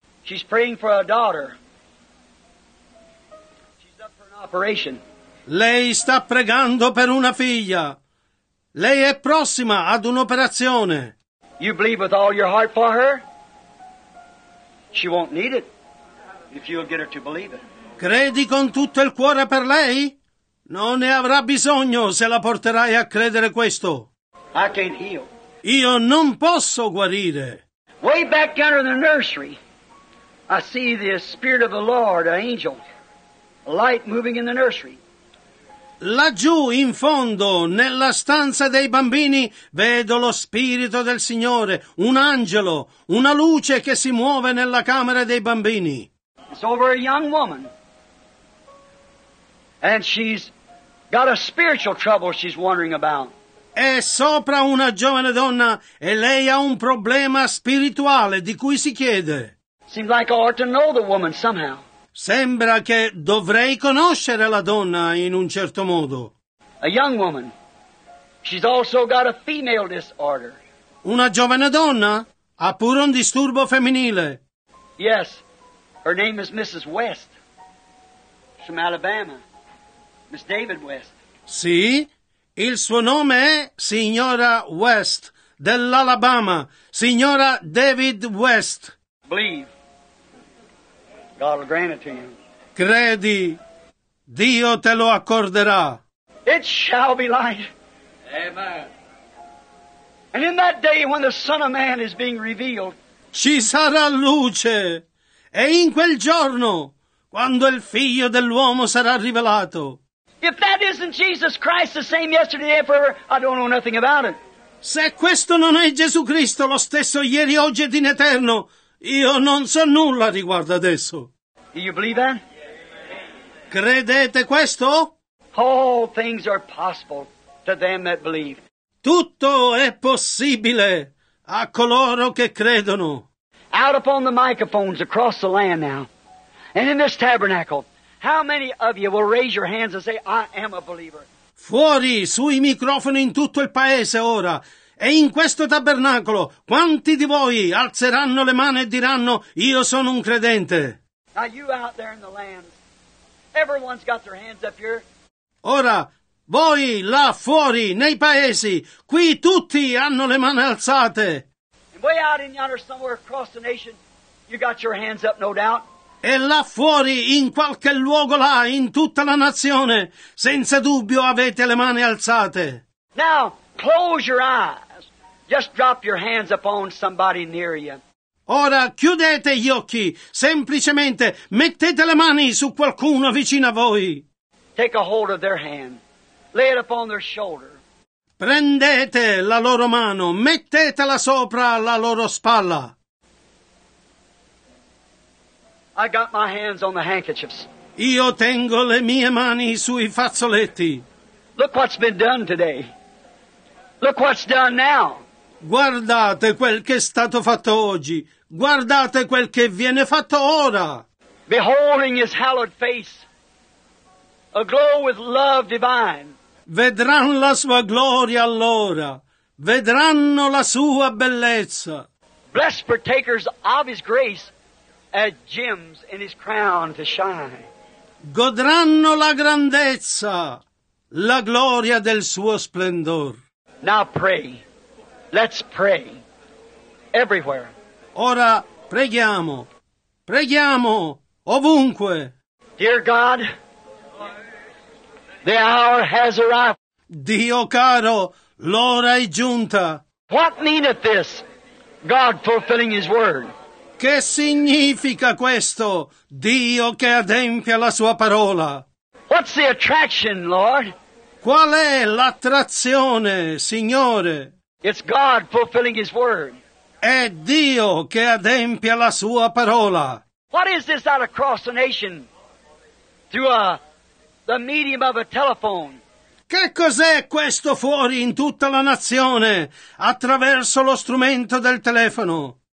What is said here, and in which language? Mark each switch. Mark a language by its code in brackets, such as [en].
[en] She's praying for a daughter. She's up for an operation. [it] Lei sta pregando per una figlia. Lei è prossima ad un'operazione. [en] You believe with all your heart for her? She won't need it if you'll get her to believe it. [it] Credi con tutto il cuore per lei? Non ne avrà bisogno se la porterai a credere questo. [en] I can't heal. [it] Io non posso guarire. [en] Way back down in the nursery, I see the Spirit of the Lord, an angel, light moving in the nursery. [it] Laggiù in fondo, nella stanza dei bambini, vedo lo Spirito del Signore, un angelo, una luce che si muove nella camera dei bambini. [en] It's over a young woman. And she's got a spiritual trouble she's wondering about. [it] È sopra una giovane donna e lei ha un problema spirituale di cui si chiede. [en] Seems like I ought to know the woman somehow. [it] Sembra che dovrei conoscere la donna in un certo modo. [en] A young woman. She's also got a female disorder. [it] Una giovane donna ha pure un disturbo femminile. [en] Yes. Her name is Mrs. West. She's from Alabama. Miss David West. [it] Sì. Il suo nome è signora West dell'Alabama, signora David West. [en] Believe. God will grant it to you. [it] Credi, Dio te lo accorderà. [en] It shall be light. Amen. And in that day when the Son of Man is being revealed, [it] ci sarà luce. E in quel giorno, quando il Figlio dell'uomo sarà rivelato. [en] If that isn't Jesus Christ, the same yesterday and forever, I don't know nothing about it. [it] Se questo non è Gesù Cristo, lo stesso ieri, oggi ed in eterno, io non so nulla riguardo ad esso. [en] Do you believe that? [it] Credete questo? [en] All things are possible to them that believe. [it] Tutto è possibile a coloro che credono. [en] Out upon the microphones across the land now, and in this tabernacle, how many of you will raise your hands and say, I am a believer? [it] Fuori, sui microfoni in tutto il paese ora, e in questo tabernacolo, quanti di voi alzeranno le mani e diranno, io sono un credente? [en] Now you out there in the land, everyone's got their hands up here. [it] Ora, voi là fuori, nei paesi, qui tutti hanno le mani alzate. [en] And way out in yonder somewhere across the nation, you got your hands up no doubt. [it] E là fuori, in qualche luogo là, in tutta la nazione, senza dubbio avete le mani alzate. [en] Now, close your eyes. Just drop your hands upon somebody near you. [it] Ora, chiudete gli occhi. Semplicemente, mettete le mani su qualcuno vicino a voi. [en] Take a hold of their hand. Lay it upon their shoulder. [it] Prendete la loro mano. Mettetela sopra la loro spalla. [en] I got my hands on the handkerchiefs. [it] Io tengo le mie mani sui fazzoletti. [en] Look what's been done today. Look what's done now. [it] Guardate quel che è stato fatto oggi. Guardate quel che viene fatto ora. [en] Beholding his hallowed face, aglow with love divine. [it] Vedranno la sua gloria allora. Vedranno la sua bellezza. Blessed partakers of his grace. At gems in his crown to shine. Godranno la grandezza, la gloria del suo splendor. [en] Now pray. Let's pray. Everywhere. [it] Ora preghiamo. Preghiamo ovunque. [en] Dear God, the hour has arrived. [it] Dio caro, l'ora è giunta. [en] What meaneth this? God fulfilling his word. [it] Che significa questo? Dio che adempia la sua parola. [en] What's the attraction, Lord? [it] Qual è l'attrazione, Signore? [en] It's God fulfilling his word. [it] È Dio che adempia la sua parola. [en] What is this out across the nation through the medium of a telephone? [it] Che cos'è questo fuori in tutta la nazione attraverso lo strumento del telefono?